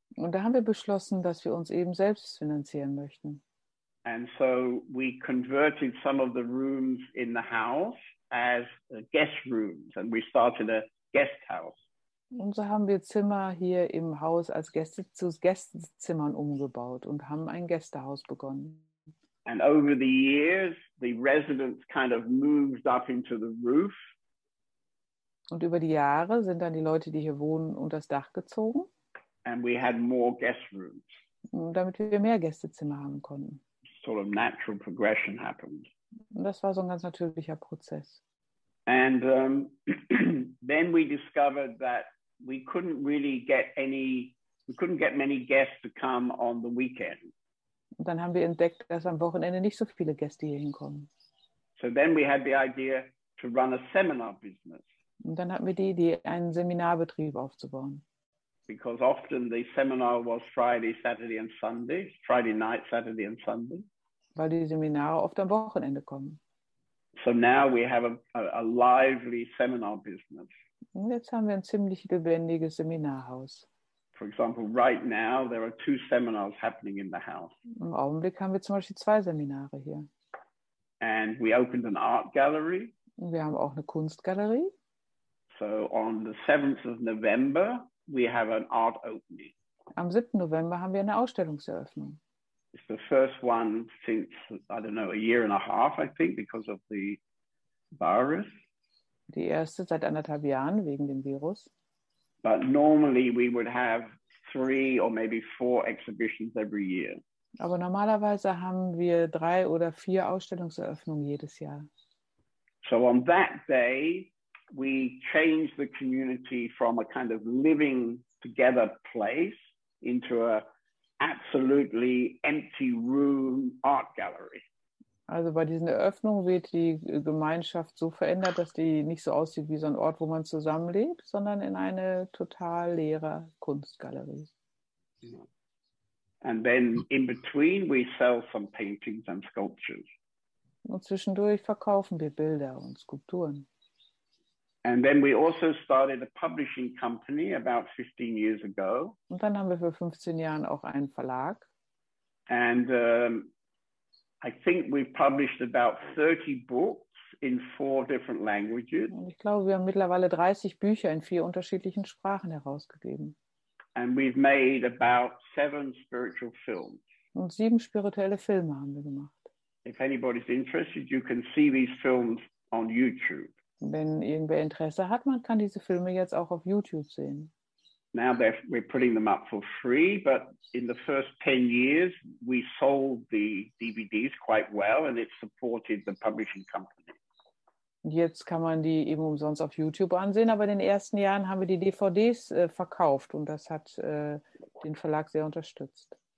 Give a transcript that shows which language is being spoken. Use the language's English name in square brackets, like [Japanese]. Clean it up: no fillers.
[German] Und da haben wir beschlossen, dass wir uns eben selbst finanzieren möchten. [English] And so we converted some of the rooms in the house as guest rooms, and we started a guest house. [German] Und so haben wir Zimmer hier im Haus als Gäste zu Gästezimmern umgebaut und haben ein Gästehaus begonnen. [English] And over the years, the residents kind of moved up into the roof. [German] Und über die Jahre sind dann die Leute, die hier wohnen, unter das Dach gezogen. [English] And we had more guest rooms. [German] Damit wir mehr Gästezimmer haben konnten. [English] Sort of natural progression happened. [German] Und das war so ein ganz natürlicher Prozess. [English] And then we discovered that we couldn't get many guests to come on the weekend. [German] Und dann haben wir entdeckt, dass am Wochenende nicht so viele Gäste hier hinkommen. [English] So then we had the idea to run a seminar business. [German] Und dann hatten wir die Idee, einen Seminarbetrieb aufzubauen. [English] Because often the seminar was Friday, Saturday and Sunday, Friday night, Saturday and Sunday. [German] Weil die Seminare oft am Wochenende kommen. [English] So now we have a lively seminar business. [German] Jetzt haben wir ein ziemlich lebendiges Seminarhaus. [English] For example, right now there are 2 seminars happening in the house. [German] Im Augenblick haben wir zum Beispiel 2 Seminare hier. [English] And we opened an art gallery. [German] Wir haben auch eine Kunstgalerie. [English] So on the 7th of November we have an art opening. [German] Am 7. November haben wir eine Ausstellungseröffnung. [English] It's the first one since, I don't know, a year and a half, I think, because of the virus. [German] Die erste seit anderthalb Jahren wegen dem Virus. [English] But normally we would have 3 or maybe 4 exhibitions every year. [German] Aber normalerweise haben wir 3 oder 4 Ausstellungseröffnungen jedes Jahr. [English] So on that day, we changed the community from a kind of living together place into a absolutely empty room art gallery. [German] Also bei diesen Eröffnungen wird die Gemeinschaft so verändert, dass die nicht so aussieht wie so ein Ort, wo man zusammenlebt, sondern in eine total leere Kunstgalerie. [English] And then in between we sell some paintings and sculptures. [German] Und zwischendurch verkaufen wir Bilder und Skulpturen. [English] And then we also started a publishing company about 15 years ago. [German] Und dann haben wir vor 15 Jahren auch einen Verlag. [English] And I think we've published about 30 books in 4 different languages. [German] Und ich glaube, wir haben mittlerweile 30 Bücher in 4 unterschiedlichen Sprachen herausgegeben. [English] And we've made about 7 spiritual films. [German] Und 7 spirituelle Filme haben wir gemacht. [English] If anybody's interested, you can see these films on YouTube. [German] Wenn irgendwer Interesse hat, man kann diese Filme jetzt auch auf YouTube sehen. [English] Now we're putting them up for free, but in the first 10 years, we sold the DVDs quite well and it supported the publishing company. [German] Jetzt kann man die eben umsonst auf YouTube ansehen, aber in den ersten Jahren haben wir die DVDs verkauft und das hat den Verlag sehr unterstützt.